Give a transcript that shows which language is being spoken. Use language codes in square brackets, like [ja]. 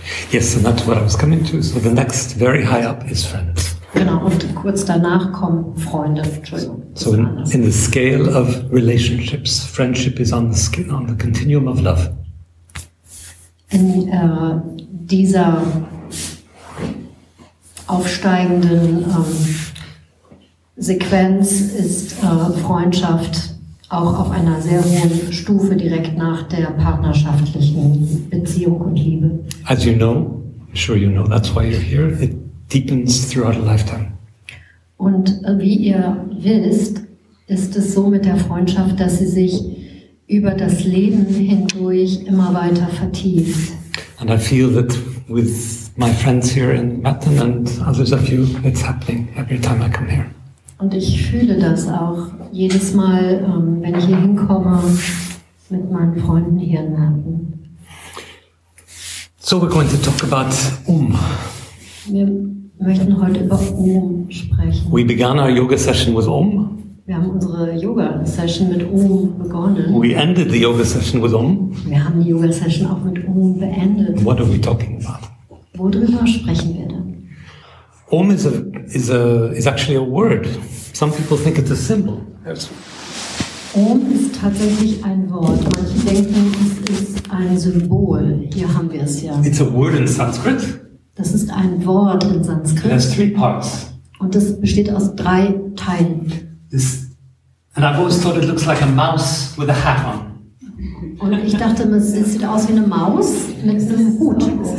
[en] Yes, and that's what I was coming to. So the next very high up is friends. [de] Genau, und kurz danach kommen Freunde. Entschuldigung. [en] So in the scale of relationships, friendship is on the continuum of love. [de] In dieser aufsteigenden Sequenz ist Freundschaft auch auf einer sehr hohen Stufe direkt nach der partnerschaftlichen Beziehung und Liebe. [en] As you know, I'm sure you know, that's why you're here. It deepens throughout a lifetime. [de] Und wie ihr wisst, ist es so mit der Freundschaft, dass sie sich über das Leben hindurch immer weiter vertieft. [en] And I feel that with my friends here in Matten and others of you, it's happening every time I come here. [de] Und ich fühle das auch jedes Mal, wenn ich hier hinkomme mit meinen Freunden hier in Merten. [en] So, we're going to talk about [de] Wir möchten heute über sprechen. [en] We began our yoga session with [de] Wir haben unsere Yoga-Session mit begonnen. [en] We ended the yoga session with [de] Wir haben die Yoga-Session auch mit beendet. [en] What are we talking about? [de] Worüber sprechen wir denn? [en] Is actually a word. Some people think it's a symbol. [de] Om is tatsächlich ein Wort. Manche denken, es ist ein Symbol. Hier haben wir es ja. [en] It's a word in Sanskrit. [de] Das ist ein Wort in Sanskrit. [en] It has three parts. [de] Und das besteht aus drei Teilen. [en] And I've always thought it looks like a mouse with a hat on. [de] Und ich dachte, es sieht aus wie eine Maus mit einem Hut.